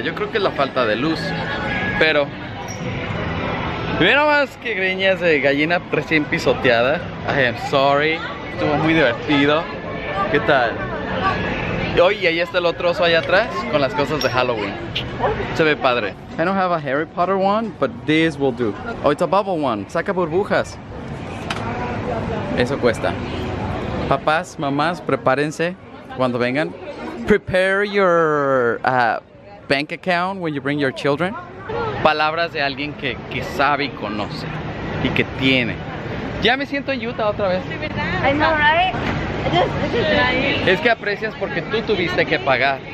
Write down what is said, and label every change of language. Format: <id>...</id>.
<es>Yo creo que es la falta de luz. Pero... ve nomás que greñas de gallina recién pisoteada.</es> <en>I am sorry.</en> <es>Estuvo muy divertido. ¿Qué tal? Oh, y ahí está el otro oso allá atrás con las cosas de Halloween. Se ve padre.</es> <en>I don't have a Harry Potter one, but this will do. Oh, it's a bubble one.</en> <es>Saca burbujas. Eso cuesta. Papás, mamás, prepárense cuando vengan.</es> <en>Prepare your bank account when you bring your children.</en> <es>Palabras de alguien que sabe y conoce y que tiene. Ya me siento en Utah otra vez.</es> <en>I know, right?</en> <es>Es que aprecias porque tú tuviste que pagar.</es>